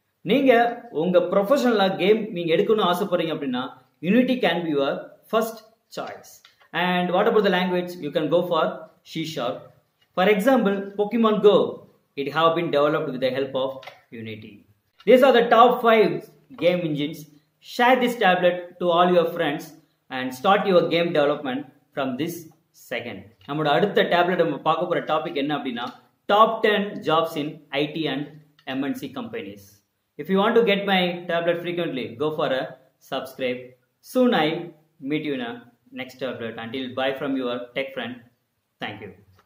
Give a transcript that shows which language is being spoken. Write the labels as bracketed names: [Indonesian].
[Tamil] நீங்கள் உங்கள் ப்ரொஃபஷனலாக கேம் நீங்கள் எடுக்கணும்னு ஆசைப்படுறீங்க அப்படின்னா [English] Unity can be your first choice. And what about the language, you can go for C sharp. For example Pokemon go, it have been developed with the help of Unity. These are the top 5 game engines. Share this tablet to all your friends and start your game development from this second. [Tamil] நம்மோட அடுத்த tablet நம்ம பார்க்க போற topic என்ன அப்படின்னா [English] Top 10 jobs in IT and MNC companies. If you want to get my tablet frequently go for a subscribe. Soon I meet you in a next tablet. Until bye from your tech friend. Thank you.